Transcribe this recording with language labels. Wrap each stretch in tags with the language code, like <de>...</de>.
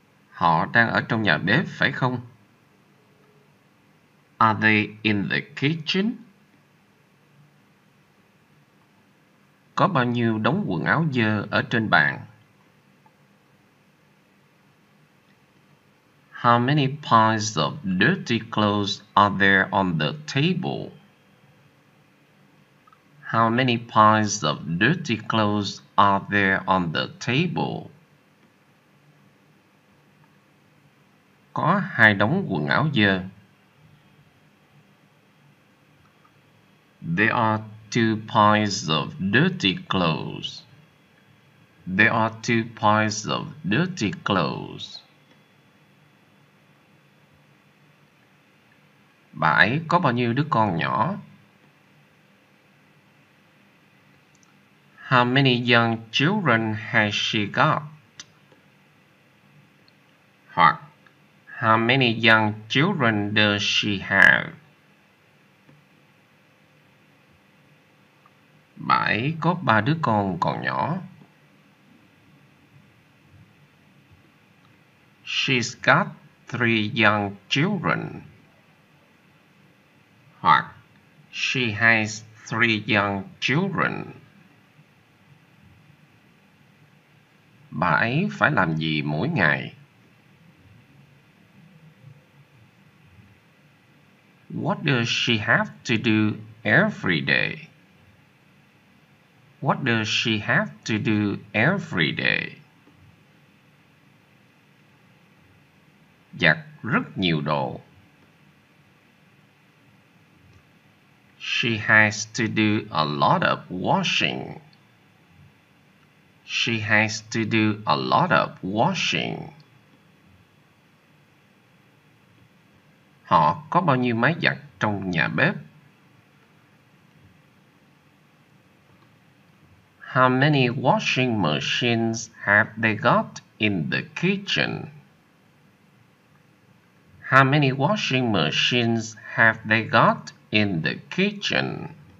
<vi>Họ đang ở trong nhà bếp, phải không?</vi> <en>Are they in the kitchen?</en> <vi>Có bao nhiêu đống quần áo dơ ở trên bàn?</vi> <en>How many piles of dirty clothes are there on the table? How many piles of dirty clothes are there on the table?</en> <vi>Có hai đống quần áo dơ.</vi> <en>There are two piles of dirty clothes. There are two piles of dirty clothes.</en> <vi>Bà ấy có bao nhiêu đứa con nhỏ?</vi> <en>How many young children has she got?</en> <vi>Hoặc,</vi> <en>how many young children does she have?</en> <vi>Bà ấy có ba đứa con còn nhỏ.</vi> <en>She's got three young children.</en> <vi>Hoặc,</vi> <en>she has three young children.</en> <vi>Bà ấy phải làm gì mỗi ngày?</vi> <en>What does she have to do every day? What does she have to do every day?</en> <vi>Giặt rất nhiều đồ.</vi> <en>She has to do a lot of washing. She has to do a lot of washing.</en> <vi>Họ có bao nhiêu máy giặt trong nhà bếp?</vi> <en>How many washing machines have they got in the kitchen? How many washing machines have they got in the kitchen?</en>